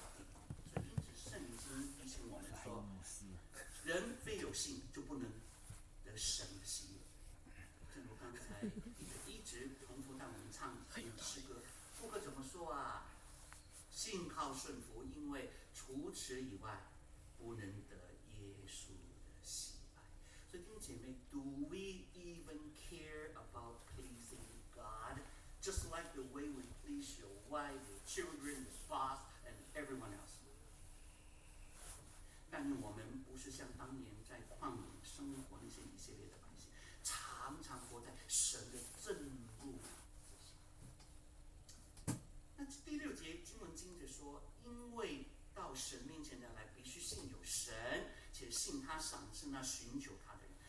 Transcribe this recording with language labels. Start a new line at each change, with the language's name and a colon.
Chinese: 所以因此圣经提醒我们说，人非有信就不能得神的喜悦。正如刚才一直重复到我们唱诗歌，副歌怎么说啊？信靠顺服，因为除此以外不能得耶稣的喜爱。所以弟兄姐妹，
English: Do we even care about pleasing God just like the way we please your wife, your children, your spouse and everyone else?
Chinese: 但愿我们不是像当年在旷野生活那些以色列的百姓，常常活在神的震怒。那第六节经文经着说，因为到神面前的来必须信有神，且信他赏赐那寻求他的人。